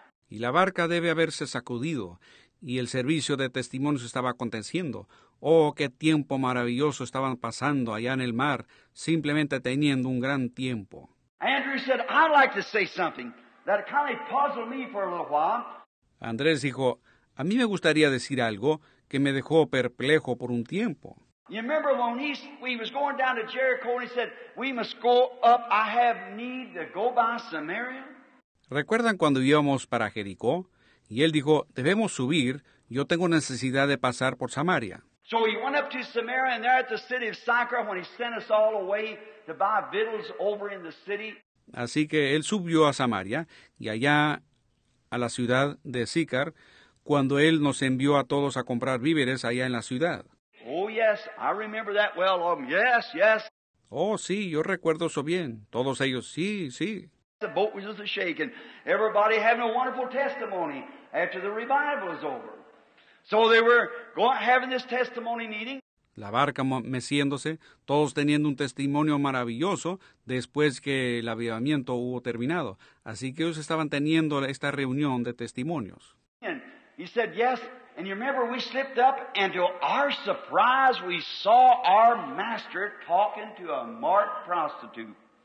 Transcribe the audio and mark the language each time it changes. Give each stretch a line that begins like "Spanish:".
Spanish: Y la barca debe haberse sacudido y el servicio de testimonios estaba aconteciendo. Oh, qué tiempo maravilloso estaban pasando allá en el mar, simplemente teniendo un gran tiempo.
English: Andrew said, I'd like to say something that kind of puzzled me for a little while.
Spanish: Andrés dijo, a mí me gustaría decir algo que me dejó perplejo por un tiempo.
English: You remember when we was going down to Jericho and he said, we must go up, I have need to go by Samaria?
Spanish: ¿Recuerdan cuando íbamos para Jericó? Y él dijo, debemos subir, yo tengo necesidad de pasar por Samaria.
English: So he went up to Samaria and there at the city of Sychar when he sent us all away to buy victuals over in the city.
Spanish: Así que él subió a Samaria y allá a la ciudad de Sychar cuando él nos envió a todos a comprar víveres allá en la ciudad.
English: Oh, yes, I remember that well. Yes, yes.
Spanish: Oh, sí, yo recuerdo eso bien. Todos ellos, sí, sí.
English: The boat was just shaking. Everybody having a wonderful testimony after the revival was over. So they were having this testimony meeting.
Spanish: La barca meciéndose, todos teniendo un testimonio maravilloso después que el avivamiento hubo terminado. Así que ellos estaban teniendo esta reunión de testimonios.
English: And he said, yes. And you remember we slipped up and to our surprise we saw our master talking to a marked prostitute.